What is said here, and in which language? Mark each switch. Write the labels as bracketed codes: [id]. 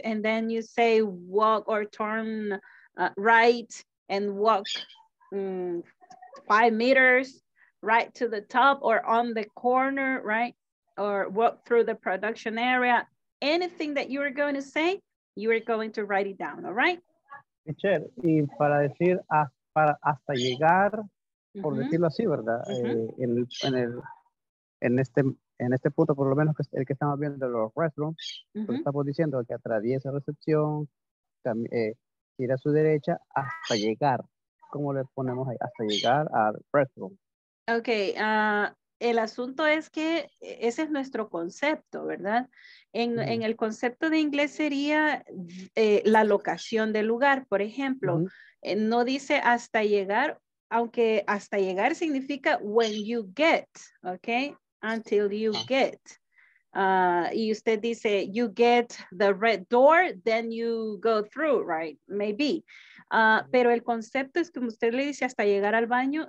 [en] And then you say, walk or turn right and walk 5 meters right to the top or on the corner, right? Or walk through the production area, anything that you are going to say, you are going to write it down, all right? [es] Teacher, y para decir hasta llegar, por mm-hmm. decirlo así, ¿verdad? Mm-hmm. En este punto, por lo menos el que estamos viendo de los restrooms, mm-hmm. pues estamos diciendo que atraviesa recepción, gira a su derecha hasta llegar. ¿Cómo le ponemos ahí? Hasta llegar al restroom. Ok, el asunto es que ese es nuestro concepto, ¿verdad? En el concepto de inglés sería la locación del lugar. Por ejemplo, uh-huh. No dice hasta llegar, aunque hasta llegar significa [en] when you get, [es] okay? [en] Until you get. [es] Y usted dice, [en] you get the red door, then you go through, right? Maybe. [es] Pero el concepto es como usted le dice hasta llegar al baño.